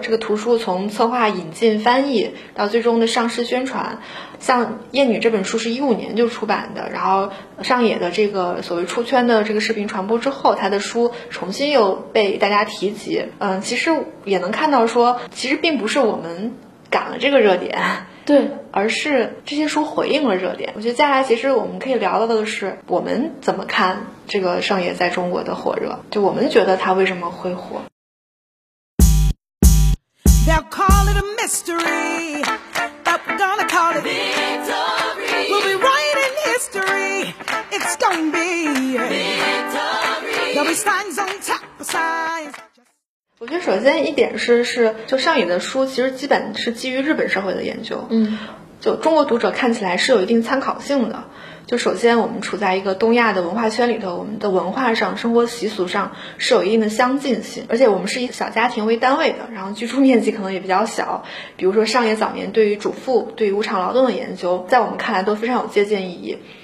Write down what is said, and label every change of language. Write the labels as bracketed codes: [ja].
[zh] 这个图书从策划引进翻译到最终的上市宣传，像厌女这本书是2015年就出版的，然后上野的这个所谓出圈的这个视频传播之后，他的书重新又被大家提及，其实也能看到说其实并不是我们赶了这个热点，对，而是这些书回应了热点。我觉得接下来其实我们可以聊到的是我们怎么看这个上野在中国的火热，就我们觉得他为什么会火。 [en] They'll call it a mystery, I'm gonna call it victory. We'll be writing history, it's gonna be victory. There'll be signs on top of signs. [zh] 我觉得首先一点是就上野的书其实基本是基于日本社会的研究，就中国读者看起来是有一定参考性的，就首先我们处在一个东亚的文化圈里头，我们的文化上生活习俗上是有一定的相近性，而且我们是以小家庭为单位的，然后居住面积可能也比较小，比如说上野早年对于主妇对于无偿劳动的研究在我们看来都非常有借鉴意义，